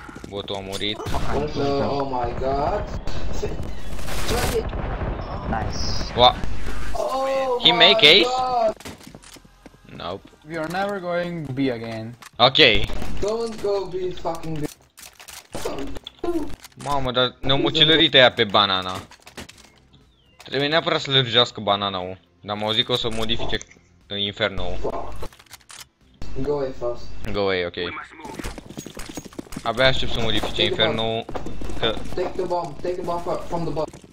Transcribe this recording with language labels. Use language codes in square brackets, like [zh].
[ro] Botul a murit. [en] Oh my god. Nice. What? Oh, he make ace? Nope. We are never going B again. Okay. Don't go B fucking B. [ro] Mamă, dar ne-am ucelărit aia pe banana. Trebuie neapărat să lărgească banana-ul. Dar m-au zis că o să modifice în inferno-ul. [en] Go away fast. Go away, ok. [ro] Abia aștept să modifice inferno-ul. Că... [en] Take the bomb, take the bomb from the bomb.